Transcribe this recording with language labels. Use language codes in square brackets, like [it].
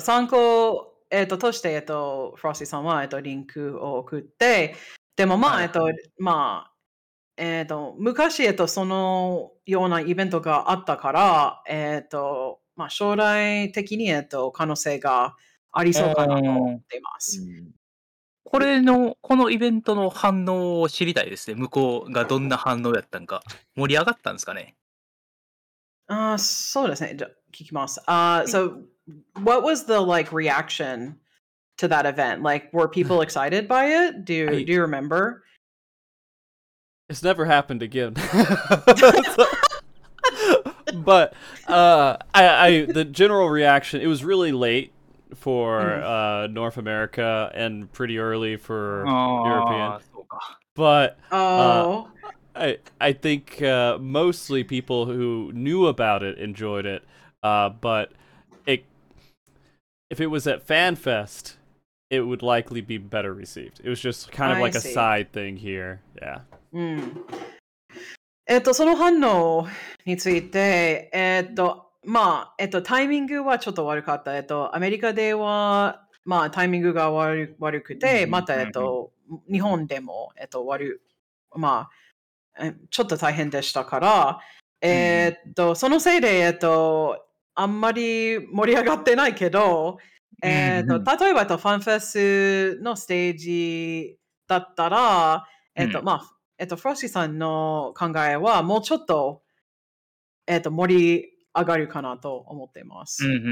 [ja] 参考、として、Frosty さんは、リンクを送って、でもまあ、まあ、昔、そのようなイベントがあったから、まあ、将来的に、可能性がありそうかなと思っています。これの、このイベントの反応を知りたいですね。向こうがどんな反応やったんか。盛り上がったんですかね。そうですね。じゃあ聞きます。 [en] So, what was the, like, reaction to that event? Like, were people excited by it? Do you remember? It's never happened again. But the general reaction, it was really late for North America and pretty early for European. But I think mostly people who knew about it enjoyed it. But if it was at FanFest, it would likely be better received. It was just kind of like a side thing here. Yeah. [ja] その反応について、まあ、タイミングはちょっと悪かった。アメリカでは、まあ、タイミングが悪くて、また、日本でも、まあ、ちょっと大変でしたから、そのせいで、あんまり盛り上がってないけど、例えば、ファンフェスのステージだったら、まあ、フロッシーさんの考えはもうちょっと、盛り上がるかなと思っています。